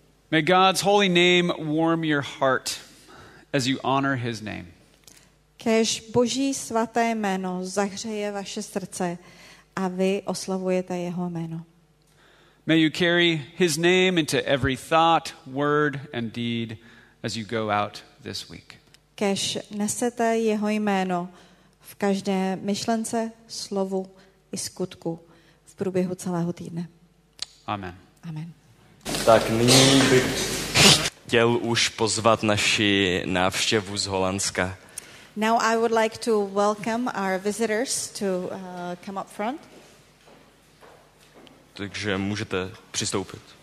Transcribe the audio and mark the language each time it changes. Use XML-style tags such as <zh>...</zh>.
<en>May God's holy name warm your heart as you honor his name.</en> <cs>Kéž Boží svaté jméno zahřeje vaše srdce a vy oslavujete jeho jméno.</cs> <en>May you carry his name into every thought, word and deed as you go out this week.</en> <cs>Kéž nesete jeho jméno v každé myšlence, slovu i skutku v průběhu celého týdne.</cs> <en>Amen.</en> <cs>Amen. Tak nyní bych chtěl už pozvat naši návštěvu z Holandska.</cs> <en>Now I would like to welcome our visitors to come up front.</en> <cs>Takže můžete přistoupit.</cs>